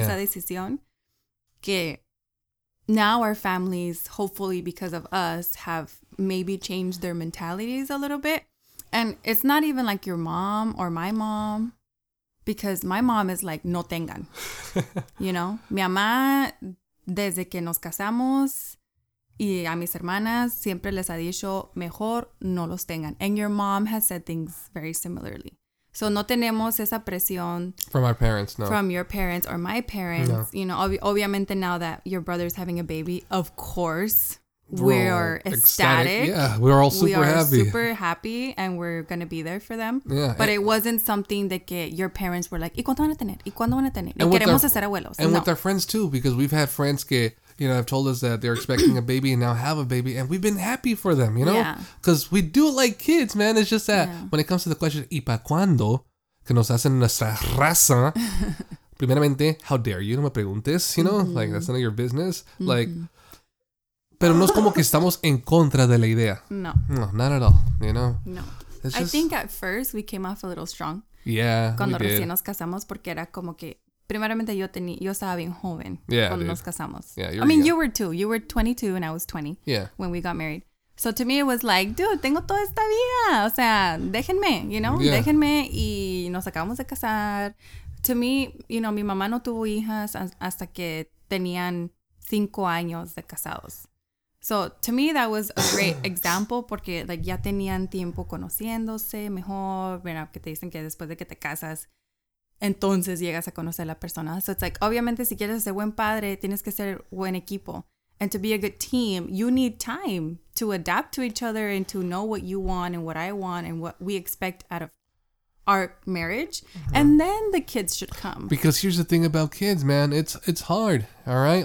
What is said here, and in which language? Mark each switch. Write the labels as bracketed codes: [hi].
[es] Esa decisión, que... [en] Now our families, hopefully because of us, have maybe changed their mentalities a little bit. And it's not even like your mom or my mom, because my mom is like, [es] no tengan. [en] You know? [es] Mi mamá, desde que nos casamos, y a mis hermanas, siempre les ha dicho, mejor no los tengan. [en] And your mom has said things very similarly. [es] So no tenemos esa presión. [en] From our parents, no. From your parents or my parents. No. You know, [es] obviamente [en] now that your brother's having a baby, of course, we're ecstatic. Yeah, we're all super happy. We are super happy and we're going to be there for them. Yeah. But it wasn't something that your parents were like, [es] ¿y cuándo van a tener? ¿Y cuándo van a tener? Y queremos hacer abuelos. [en] And with our friends too, because we've had friends que, you know, have told us that they're expecting a baby and now have a baby. And we've been happy for them, you know? Because yeah. We do like kids, man. It's just that when it comes to the question, [es] ¿y para cuándo? Que nos hacen nuestra raza. Primeramente, [en] how dare you? [es] No me preguntes, you know? [en] Mm-hmm. Like, that's none of your business. Mm-hmm. [es] Like, pero no es como que estamos en contra de la idea. No. [en] No, not at all, you know? No. It's just... I think at first we came off a little strong. Yeah, [es] cuando recién nos casamos porque era como que... Primeramente, yo estaba bien joven cuando nos casamos. [en] Yeah, I mean, you were too. You were 22 and I was 20 yeah. when we got married. So to me, it was like, dude, [es] tengo toda esta vida. O sea, déjenme, you know? [en] Yeah. [es] Déjenme y nos acabamos de casar. [en] To me, you know, [es] mi mamá no tuvo hijas hasta que tenían 5 años de casados. [en] So to me, that was a great example porque like, [es] ya tenían tiempo conociéndose mejor. Mira, que te dicen que después de que te casas, entonces llegas a conocer a la persona. [en] So it's like, [es] obviamente, si quieres ser buen padre, tienes que ser buen equipo. [en] And to be a good team, you need time to adapt to each other and to know what you want and what I want and what we expect out of our marriage. Mm-hmm. And then the kids should come. Because here's the thing about kids, man. It's hard, all right?